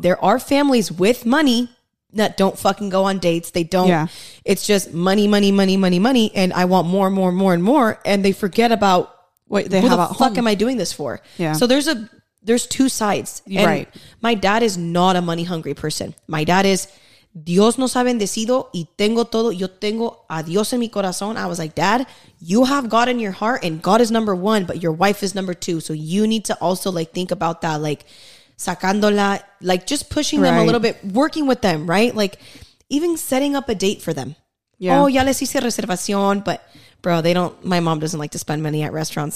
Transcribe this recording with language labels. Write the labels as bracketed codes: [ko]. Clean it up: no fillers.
[en] There are families with money that don't fucking go on dates. They don't. Yeah. It's just money. And I want more. And they forget about what the fuck am I doing this for? Yeah. So there's two sides. And right. My dad is not a money hungry person. My dad is, [es] Dios nos ha bendecido y tengo todo. Yo tengo a Dios en mi corazón. [en] I was like, Dad, you have God in your heart, and God is number one, but your wife is number two. So you need to also like think about that, like [es] sacándola, [en] like just pushing them a little bit, working with them, right? Like even setting up a date for them. Yeah. Oh, [es] ya les hice reservación, [en] but bro, my mom doesn't like to spend money at restaurants.